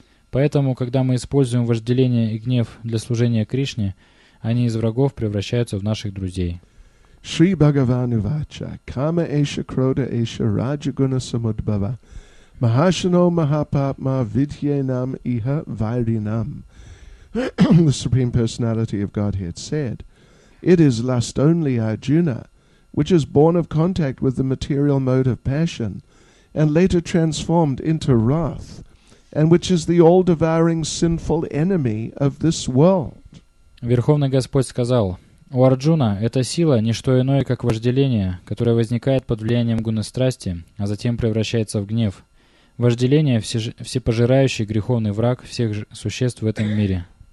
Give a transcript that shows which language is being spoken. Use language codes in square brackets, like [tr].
[ru] Поэтому, когда мы используем вожделение и гнев для служения Кришне, они из врагов превращаются в наших друзей. [sa] Шри Бхагаван Увача, Кама Эша Крода Эша Раджагуна Самудбава, Махашино Махапапма Видьенам Иха Вайринам. [en] The Supreme Personality of Godhead said, it is lust only, Arjuna, which is born of contact with the material mode of passion and later transformed into wrath, and which is the all-devouring sinful enemy of this world. [ru] Верховный Господь сказал, «У Арджуна эта сила не что иное, как вожделение, которое возникает под влиянием гуны страсти, а затем превращается в гнев. Вожделение – всепожирающий греховный враг всех существ в этом мире».